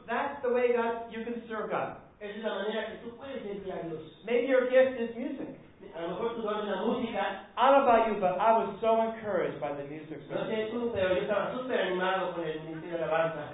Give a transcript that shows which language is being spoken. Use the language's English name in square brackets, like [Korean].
[English] That's the way God you can serve God. [Spanish] Esa es la manera que tú puedes servir a Dios. [English] Maybe your gift is music. [Spanish] A lo mejor tu don es la música. [English] I don't know about you, but I was so encouraged by the music service. [Spanish] No sé tú, pero yo estaba súper animado con el ministerio de alabanza.